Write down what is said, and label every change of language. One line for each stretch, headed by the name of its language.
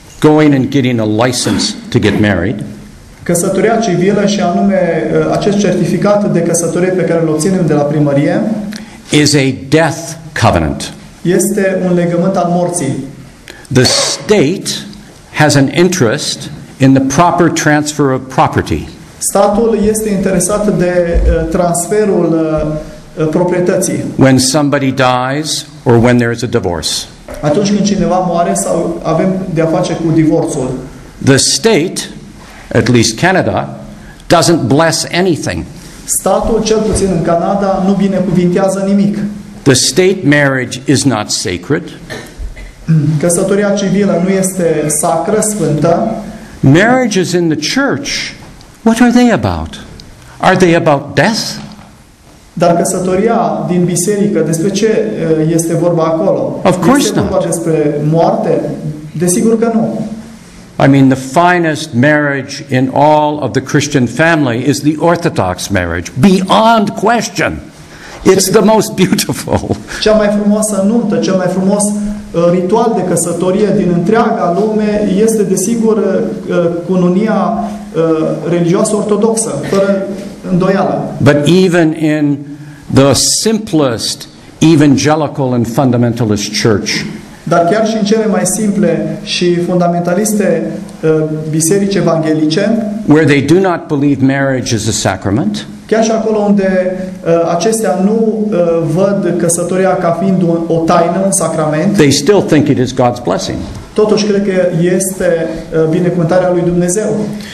English: Going and getting a license to get married.
Romanian: Căsătoria civilă și anume acest certificat de căsătorie pe care îl obținem de la primărie
English: is a death covenant.
Romanian: Este un legământ al morții.
English: The state has an interest in the proper transfer of property.
Romanian: Statul este interesat de transferul proprietății.
English: When somebody dies or when there is a divorce.
Romanian: Atunci când cineva moare sau avem de a face cu divorțul.
English: The state, at least Canada, doesn't bless anything.
Romanian: Statul, cel puțin în Canada, nu binecuvintează nimic.
English: The state marriage is not sacred.
Romanian: Căsătoria civilă nu este sacră, sfântă.
English: Marriages in the church, what are they about? Are they about death?
Romanian: Dar căsătoria din biserică, despre ce este vorba acolo?
English: Of course not.
Romanian: Este vorba despre moarte? Desigur că nu.
English: I mean, the finest marriage in all of the Christian family is the Orthodox marriage. Beyond question. It's the most beautiful.
Romanian: Cea mai frumoasă nuntă, cel mai frumos ritual de căsătorie din întreaga lume este, desigur, cununia religioasă ortodoxă, fără îndoială.
English: But even in the simplest evangelical and fundamentalist church.
Romanian: Dar chiar și în cele mai simple și fundamentaliste biserici evanghelice,
English: where they do not believe marriage is a sacrament,
Romanian: chiar și acolo unde acestea nu văd căsătoria ca fiind o taină, un sacrament,
English: they still think it is God's blessing.
Romanian: Totuși cred că este binecuvântarea lui Dumnezeu.